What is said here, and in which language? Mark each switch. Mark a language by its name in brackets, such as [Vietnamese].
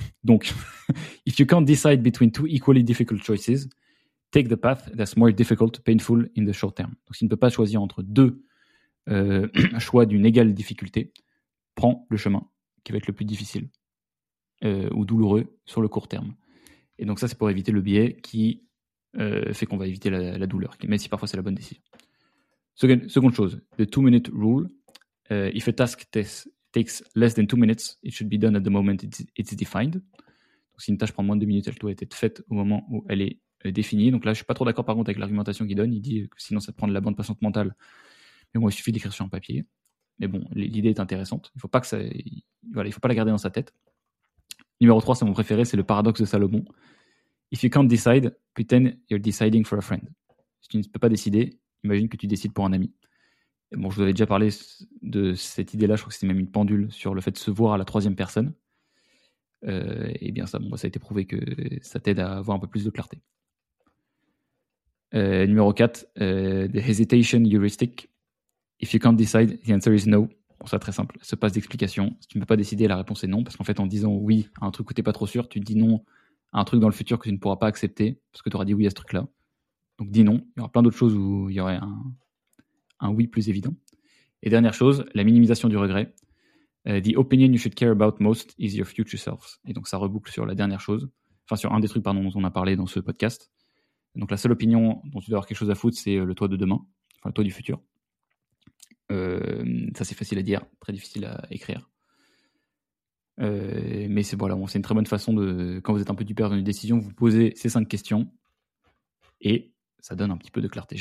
[French] Donc, [English] if you can't decide between two equally difficult choices, take the path that's more difficult, painful in the short term. [French] Donc, s'il ne peut pas choisir entre deux choix d'une égale difficulté, prends le chemin qui va être le plus difficile ou douloureux sur le court terme. Et donc, ça, c'est pour éviter le biais qui fait qu'on va éviter la douleur, même si parfois c'est la bonne décision. Seconde chose, the two-minute rule. [English] If a task takes less than 2 minutes, it should be done at the moment it's defined. [French] Donc, si une tâche prend moins de 2 minutes, elle doit être faite au moment où elle est définie. Donc là, je suis pas trop d'accord par contre avec l'argumentation qu'il donne. Il dit que sinon, ça te prend de la bande passante mentale. Mais bon, il suffit d'écrire sur un papier. Mais bon, l'idée est intéressante. Il faut pas que ça. Voilà, il faut pas la garder dans sa tête. Numéro 3, c'est mon préféré, c'est le paradoxe de Salomon. [English] If you can't decide, pretend you're deciding for a friend. [French] Si tu ne peux pas décider, imagine que tu décides pour un ami. Et bon, je vous avais déjà parlé de cette idée-là. Je crois que c'était même une pendule sur le fait de se voir à la troisième personne. Et bien ça, bon, ça a été prouvé que ça t'aide à avoir un peu plus de clarté. Numéro 4, the hesitation heuristic. [English] If you can't decide, the answer is no. [French] Bon, ça, très simple, ça passe d'explication. Si tu ne peux pas décider, la réponse est non. Parce qu'en fait, en disant oui à un truc où tu n'es pas trop sûr, tu dis non à un truc dans le futur que tu ne pourras pas accepter parce que tu auras dit oui à ce truc-là. Donc dis non. Il y aura plein d'autres choses où il y aurait un oui plus évident. Et dernière chose, la minimisation du regret. [English] The opinion you should care about most is your future self. [French] Et donc ça reboucle sur la dernière chose. Enfin, sur un des trucs, dont on a parlé dans ce podcast. Donc la seule opinion dont tu dois avoir quelque chose à foutre, c'est le toi de demain, enfin le toi du futur. Ça c'est facile à dire, très difficile à écrire. Mais c'est voilà, bon, c'est une très bonne façon de, quand vous êtes un peu du père dans une décision, vous posez ces 5 questions et ça donne un petit peu de clarté.